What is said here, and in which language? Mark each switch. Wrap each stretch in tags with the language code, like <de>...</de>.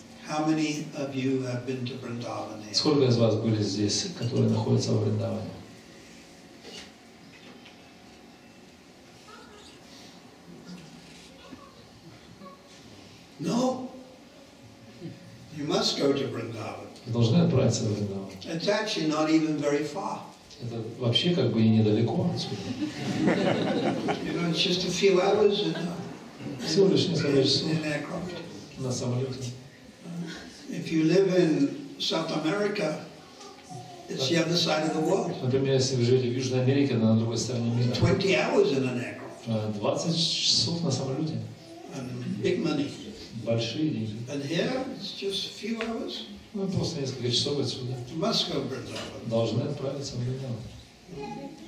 <en>How many of you have been to Vrindavan?</en> <ru>Сколько из вас были здесь, которые находятся в Вриндаване?</ru> <en>No. You must go to Vrindavan.</en> <ru>Вы должны отправиться в Вриндаван.</ru> <en>It's actually not even very far.</en> <ru>Это вообще как бы и недалеко отсюда.</ru> <en>You know, it's just a few hours and in aircraft.</en> <ru>На самолете.</ru> <en>If you live in South America, it's the other side of the world.</en> <ru>Например, если вы живете в Южной Америке, на другой стороне мира.</ru> <en>20 hours in an aircraft.</en> <ru>20 часов на самолете.</ru> <en>And big money.</en> <ru>Большие деньги.</ru> <en>And here, it's just a few hours.</en> <ru>Ну, просто несколько часов отсюда.</ru> <en>Moscow, Vrindavan.</en> <ru>Должны отправиться в Вриндаван.</ru>